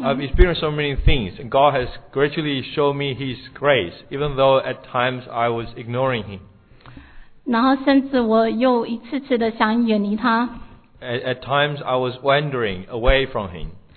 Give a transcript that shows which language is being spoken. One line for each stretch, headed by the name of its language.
English: I've experienced so many things, and God has gradually shown me His grace, even though at times I was ignoring Him.
Chinese: 然后甚至我又一次次的想远离他。
English: At times, I was wandering away from him.